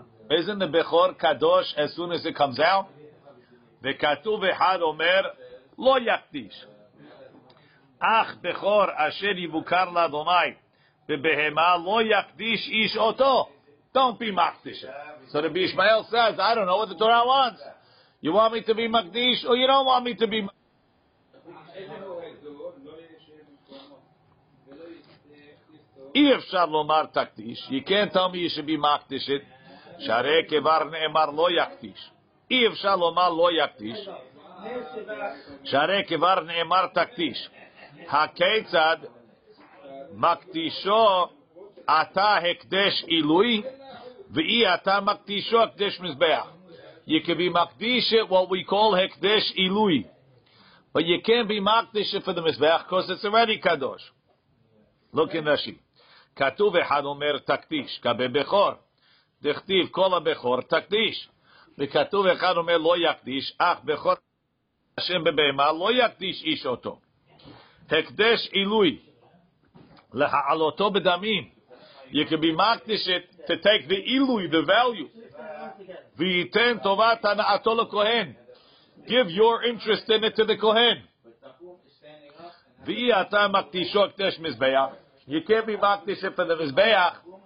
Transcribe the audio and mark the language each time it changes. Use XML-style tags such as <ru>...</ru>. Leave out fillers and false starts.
<en>Isn't the Bechor Kadosh as soon as it comes out?</en> <he>וכתוב אחד אומר, לא יקדיש. אך בכור אשר יבוקר לאדוני, ובהמה לא יקדיש איש אותו.</he> <en>Don't be מקדיש. So Rabbi Ishmael says, I don't know what the Torah wants. You want me to be מקדיש, or you don't want me to be מקדיש?</en> <he>אי אפשר לומר תקדיש.</he> <en>You can't tell me you should be מקדיש.</en> <he>שהרי כבר נאמר לא יקדיש. אי אפשר לומר לא יקדיש, שהרי כבר נאמר תקדיש. הכיצד מקדישו אתה הקדש עילוי, ואי אתה מקדישו הקדש מזבח.</he> <en>You can be מקדיש it, what we call הקדש עילוי. But you can't be מקדיש it for the מזבח, because it's already קדוש. Look in Rashi.</en> <he>כתוב אחד אומר תקדיש, כבי בכור. דכתיב כל הבכור תקדיש. וכתוב אחד אומר לא יקדיש, אך בכל השם בבהמה לא יקדיש איש אותו. הקדש עילוי להעלותו בדמים.</he> <en>You can be מקדיש it to take the עילוי, the value.</en> <he>ויתן טובת הנעתו לכהן.</he> <en>Give your interest in it to the כהן.</en> <he>ואי אתה מקדישו הקדש מזבח.</he> <en>You can't be מקדיש it for the מזבח.</en>